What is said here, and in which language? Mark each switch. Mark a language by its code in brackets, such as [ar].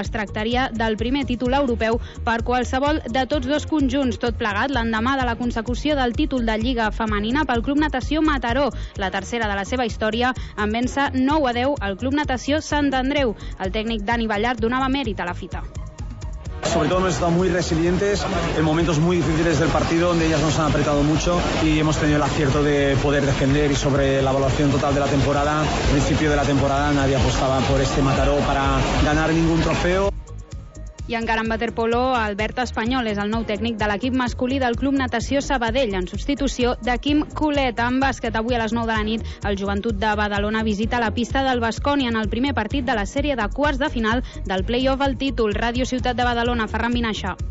[ca] Es tractaria del primer títol europeu per qualsevol de tots dos conjunts. Tot plegat, l'endemà de la consecució del títol de Lliga femenina pel Club Natació Mataró, la tercera de la seva història, en vèncer 9-10 al Club Natació Sant Andreu. El tècnic Dani Ballart donava mèrit a la fita. [es] Sobre todo hemos estado muy resilientes en momentos muy difíciles del partido donde ellas nos han apretado mucho y hemos tenido el acierto de poder defender y sobre la evaluación total de la temporada, al principio de la temporada nadie apostaba por este Mataró para ganar ningún trofeo. [ca] I encara en waterpolo, Albert Espanyol és el nou tècnic de l'equip masculí del Club Natació Sabadell, en substitució de Quim Colet. En bàsquet, avui a les 9 de la nit, el Joventut de Badalona visita la pista del Bascònia en el primer partit de la sèrie de quarts de final del play-off al títol. Ràdio Ciutat de Badalona, Ferran Vinaixa.